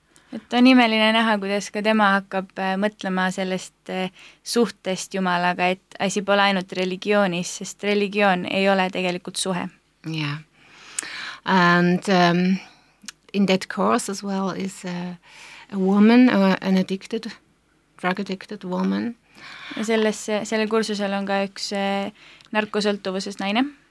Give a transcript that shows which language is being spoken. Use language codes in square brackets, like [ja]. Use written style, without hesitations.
[et] Et on imeline näha, kuidas ka tema hakkab mõtlema sellest suhtest Jumalaga, et asi pole ainult religioonis, sest religioon ei ole tegelikult suhe. [en] Yeah. And in that course as well is a woman, an addicted, drug addicted woman. [et] Ja selle kursusel on ka 1 narkosõltuvuses naine.